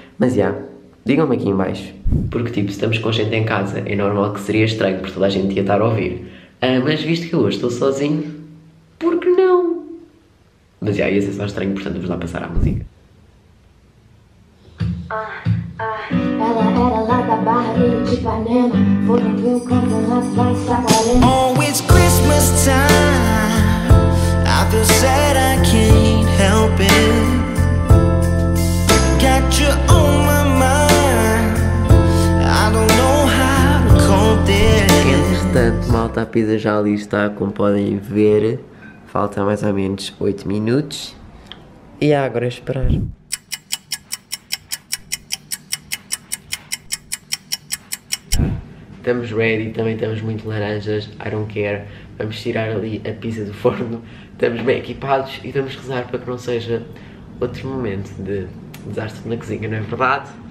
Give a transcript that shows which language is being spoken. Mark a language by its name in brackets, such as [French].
[Portuguese] Mas já, digam-me aqui em baixo. Porque, tipo, se estamos com gente em casa, é normal que seria estranho, porque toda a gente ia estar a ouvir. Mas visto que eu hoje estou sozinho, por que não? Mas já, ia ser só estranho, portanto vamos lá passar à música. Ela era lá da Barra de Ipanema. Foram ver o canto lá de baixo da Guarema. [English] Oh, it's Christmas time. I feel sad, I can't help it. Got you on my mind. I don't know how to contain. [Portuguese] Entretanto, malta, a pizza já ali está, como podem ver. Falta mais ou menos 8 minutos. E agora é esperar. Estamos ready, também estamos muito laranjas, [English] I don't care. [Portuguese] Vamos tirar ali a pizza do forno, estamos bem equipados e vamos rezar para que não seja outro momento de desastre na cozinha, não é verdade?